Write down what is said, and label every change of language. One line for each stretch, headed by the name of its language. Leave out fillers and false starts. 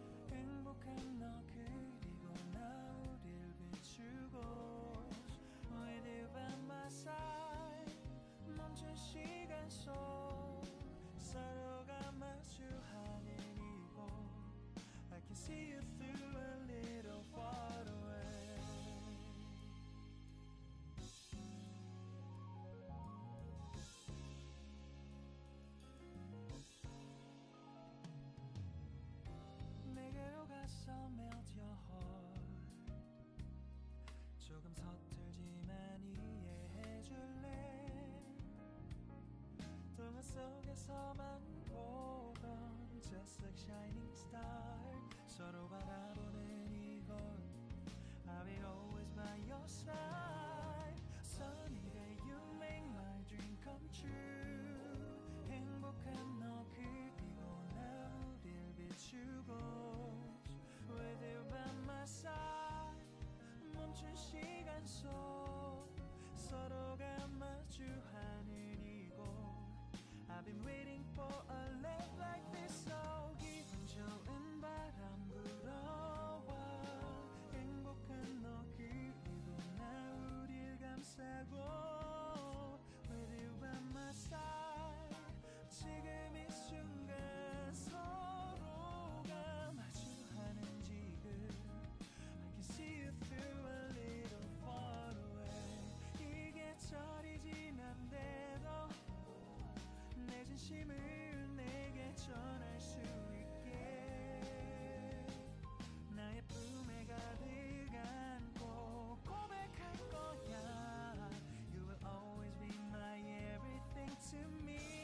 Korean: 행복한 너 그리고 나 우릴 비추고.
English: With you by my side,
Korean: 멈춘 시간 속 서로가 마주하는 이곳.
English: I can see you through a little far away. Melt your heart.
Korean: 조금 서툴지만 이해해줄래. 동화 속에서만 보던
English: just like shining star.
Korean: 서로 바라보는 이곳.
English: I'll be always by your side. Sunny day you make my dream come true.
Korean: 행복한 너 그리고 나 우릴 비추고.
English: With you by my side,
Korean: 멈춘 시간 속 서로가 마주하는 이곳.
English: I've been waiting for a love like this.
Korean: So 기분 좋은 바람 불어와. 행복한 너 그리고 나 우릴 감싸고.
English: With you by my side,
Korean: 지금 이 순간 서로가 마주하는 지금.
English: I can see you through a little far away.
Korean: 이 계절이 지난데도 내 진심을 내게 전할 수 있게. 나의 품에 가득 안고 고백할 거야.
English: You will always be my everything to me.